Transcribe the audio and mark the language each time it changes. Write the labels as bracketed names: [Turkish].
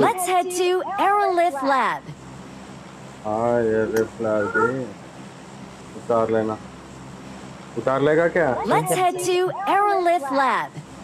[English] Let's head to Aerolith Lab. [Hindi] दो। अरे हाँ ये रिप्लाई दे, उतार लेना। उतार लेगा क्या? [English] Let's head to Aerolith Lab.